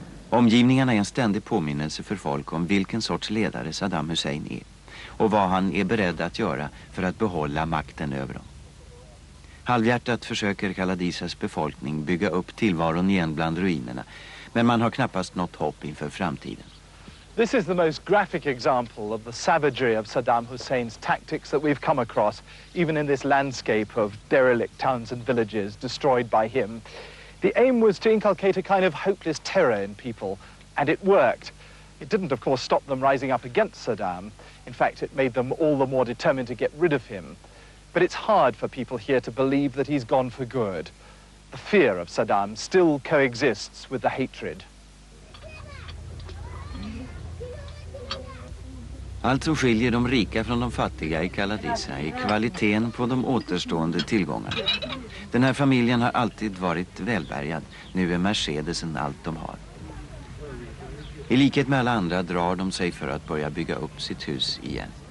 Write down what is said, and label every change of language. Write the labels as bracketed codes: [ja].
[sv] Omgivningarna är en ständig påminnelse för folk om vilken sorts ledare Saddam Hussein är. Och vad han är beredd att göra för att behålla makten över dem. Halvhjärtat försöker Kaladisas befolkning bygga upp tillvaron igen bland ruinerna, men man har knappast något hopp inför framtiden. [en] This is the most graphic example of the savagery of Saddam Husseins tactics that we've come across, even in this landscape of derelict towns and villages destroyed by him. The aim was to inculcate a kind of hopeless terror in people, and it worked. It didn't, of course, stop them rising up against Saddam. In fact, it made them all the more determined to get rid of him. But it's hard for people here to believe that he's gone for good. The fear of Saddam still coexists with the hatred. [sv] Allt som skiljer de rika från de fattiga i Kaladisa är kvaliteten på de återstående tillgångarna. Den här familjen har alltid varit välbärgad. Nu är Mercedesen allt de har. I likhet med alla andra drar de sig för att börja bygga upp sitt hus igen.